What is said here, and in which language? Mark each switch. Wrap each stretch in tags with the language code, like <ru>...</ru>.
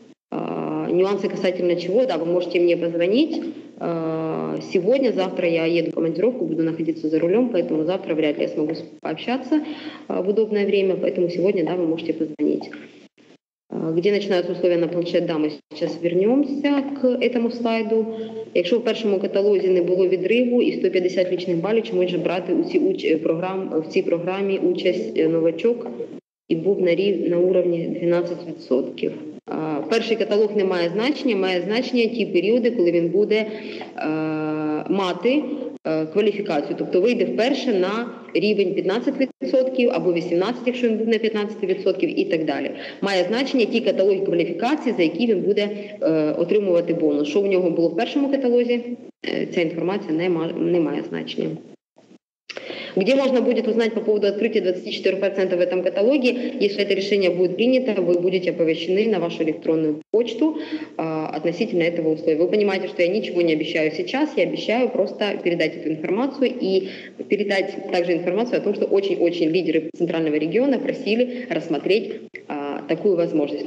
<ru>Нюансы касательно чего? Да, вы можете мне позвонить. Сегодня, завтра я еду в командировку, буду находиться за рулем, поэтому завтра вряд ли я смогу пообщаться в удобное время, поэтому сегодня, да, вы можете позвонить. Где начинаются условия на планшет? Да, мы сейчас вернемся к этому слайду.</ru> <uk>Якщо в першому каталозі не було відриву і 150 лічних балів, чи може брати у цій програмі участь новачок і був на уровні 12%? Перший каталог не має значення, має значення ті періоди, коли він буде мати кваліфікацію. Тобто вийде вперше на рівень 15% або 18%, якщо він був на 15% і так далі. Має значення ті каталоги кваліфікації, за які він буде отримувати бонус. Що в нього було в першому каталозі, ця інформація не має значення.</uk> <ru>Где можно будет узнать по поводу открытия 24% в этом каталоге? Если это решение будет принято, вы будете оповещены на вашу электронную почту относительно этого условия. Вы понимаете, что я ничего не обещаю сейчас, я обещаю просто передать эту информацию и передать также информацию о том, что очень-очень лидеры центрального региона просили рассмотреть такую возможность.</ru>